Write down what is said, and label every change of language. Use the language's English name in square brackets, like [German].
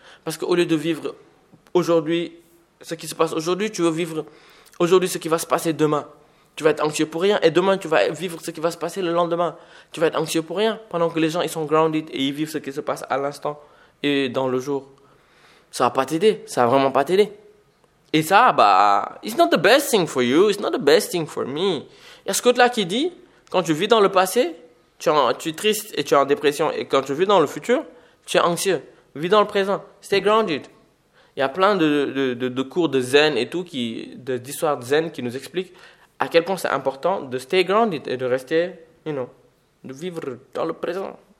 [French] Parce qu'au lieu de vivre aujourd'hui, ce qui se passe aujourd'hui, tu veux vivre aujourd'hui ce qui va se passer demain. Tu vas être anxieux pour rien. Et demain, tu vas vivre ce qui va se passer le lendemain. Tu vas être anxieux pour rien. Pendant que les gens, ils sont grounded et ils vivent ce qui se passe à l'instant et dans le jour. Ça va pas t'aider, ça va vraiment pas t'aider. Et ça, bah, [English] it's not the best thing for you, it's not the best thing for me. [French] Il y a ce côté-là qui dit, quand tu vis dans le passé, tu es triste et tu es en dépression, et quand tu vis dans le futur, tu es anxieux. Vis dans le présent, [English] stay grounded. [French] Il y a plein de cours de zen et tout, d'histoires de zen qui nous expliquent à quel point c'est important de stay grounded et de rester, [English] you know, [French] de vivre dans le présent.